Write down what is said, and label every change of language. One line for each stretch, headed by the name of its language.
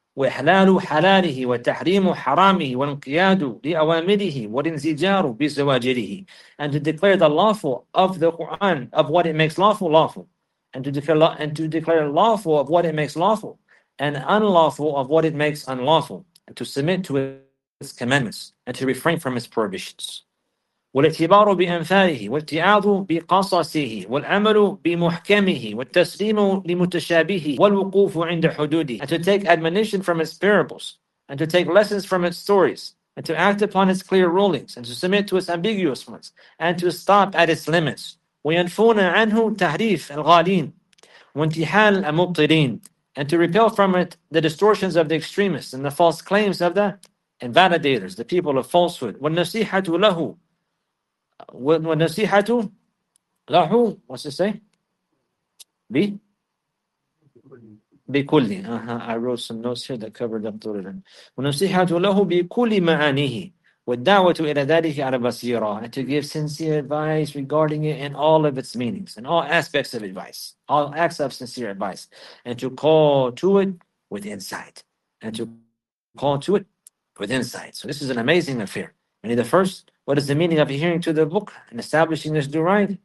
Arabic: وَإِحْلَالُ حَلَالِهِ وَتَحْرِيمُ حَرَامِهِ وَانْقِيَادُ لِأَوَامِرِهِ وَالْإِنْزِجَارُ بِزَوَاجِرِهِ.
English: And to declare the lawful of the Quran, of what it makes lawful, lawful. And to declare lawful of what it makes lawful, and unlawful of what it makes unlawful, and to submit to its commandments, and to refrain from its prohibitions.
Arabic: والاعتبار بأمثاله والاتعاظ بقصصه والعمل بمحكمه والتسليم لمتشابهه والوقوف عند حدوده.
English: And to take admonition from its parables, and to take lessons from its stories, and to act upon its clear rulings, and to submit to its ambiguous ones, and to stop at its limits.
Arabic: وينفون عنه تحريف الغالين وانتحال المبطلين.
English: And to repel from it the distortions of the extremists and the false claims of the invalidators, the people of falsehood.
Arabic: والنصيحة له. والنصيحة له,
English: what's it say?
Arabic: بكل.
English: I wrote some notes here that covered up to it.
Arabic: والنصيحة له بكل معانيه والدعوة إلى ذلك على بصيرة.
English: And to give sincere advice regarding it in all of its meanings and all aspects of advice, all acts of sincere advice, and to call to it with insight. And to call to it with insight. So this is an amazing affair. And in the first, what is the meaning of adhering to the book and establishing this due right?